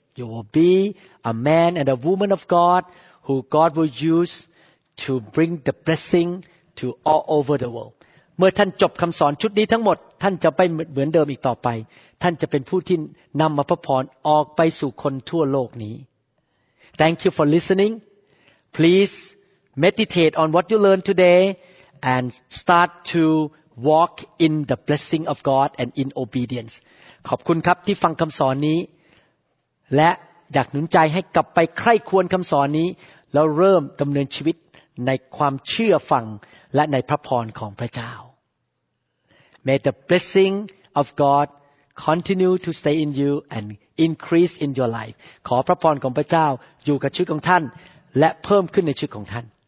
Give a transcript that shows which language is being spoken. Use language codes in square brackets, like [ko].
[en] You will be a man and a woman of God who God will use to bring the blessing to all over the world. [th] เมื่อท่านจบคำสอนชุดนี้ทั้งหมดท่านจะไม่เหมือนเดิมอีกต่อไปท่านจะเป็นผู้ที่นำมาพระพรออกไปสู่คนทั่วโลกนี้ [en] Thank you for listening. Please meditate on what you learned today and start to... Walk in the blessing of God and in obedience. [th] ขอบคุณครับที่ฟังคำสอนนี้และอยากหนุนใจให้กลับไปใคร่ควรคำสอนนี้แล้วเริ่มดำเนินชีวิต ในความเชื่อฟังและในพระพรของพระเจ้า [en] May the blessing of God continue to stay in you and increase in your life [th] ขอพระพรของพระเจ้าอยู่กับชีวิตของท่านและเพิ่มขึ้นในชีวิตของท่าน